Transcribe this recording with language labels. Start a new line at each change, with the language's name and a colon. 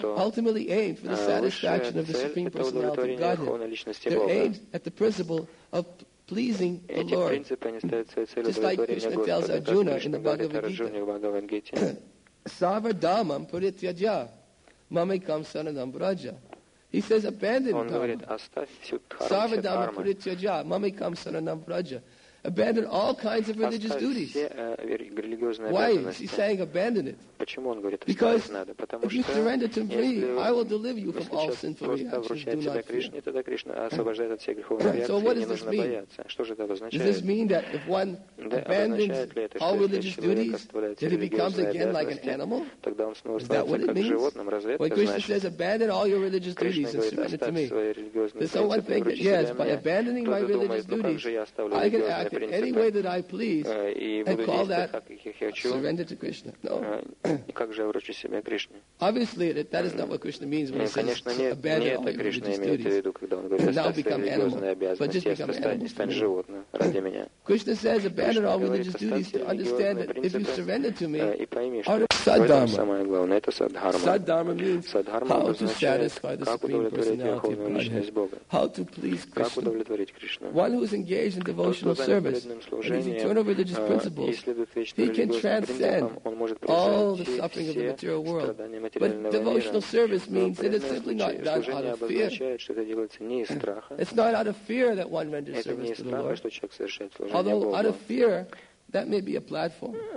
English: they're ultimately aimed for the satisfaction of the Supreme Personality of Godhead. They're aimed at the principle of pleasing the Lord.
Russian: Эти принципы, они ставят своей целью удовлетворение Господа, как Кришна говорит о Арджуне в Бхагавад-гите. Мамекам саранам браджа.
English: He says, abandon
Russian: dharma. Он говорит, оставь всю дхарму, все дхармы. Пуритья-джа, мамекам саранам браджа.
English: Abandon all kinds of religious duties. Why is he saying abandon it? Because if you surrender to me, I will deliver you from all sinful reactions. Do not fear. So what does this mean? Does this mean that if one abandons all religious duties, that he becomes again like an animal? Is that what it means? When Krishna says abandon all your religious duties and surrender to me, there's someone thinking, yes, by abandoning my religious duties, I can act in any way that I please and call that surrender to Krishna. No.
Russian: И как же я вручу себя Кришне?
English: Obviously, that is not what Krishna means when he says,
Russian: конечно, не это Кришна имеет в виду, когда он говорит, оставь религиозные обязанности, стань животным ради меня.
English: Кришна says, abandon all religious duties to understand that if you surrender to me,
Russian: и пойми, что... саддхарма. Самое главное, это саддхарма. Саддхарма означает, как удовлетворить верховную личность Бога.
English: How to please
Russian: как удовлетворить Кришну.
English: One who is engaged in devotional service is eternal religious principles. He can transcend all the suffering of the material world. But devotional service means that it's simply not done out of fear. It's not out of fear that one renders service to the Lord. Although out of fear, that may be a platform.